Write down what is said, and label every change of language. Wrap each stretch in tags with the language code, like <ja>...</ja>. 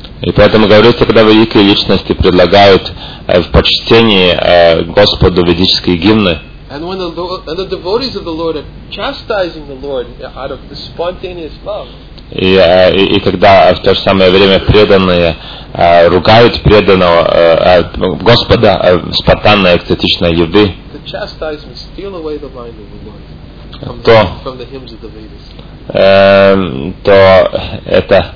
<ru>И поэтому говорится, когда великие личности предлагают в почтении Господу ведические гимны.</ru> <en>And when the devotees of the Lord are chastising the Lord out of the spontaneous love.</en> <ru>И когда в то же самое время преданные ругают преданного Господа спонтанной экстатичной любви.</ru> <en>The chastisement steal away the mind of the Lord from the hymns of the Vedas.</en>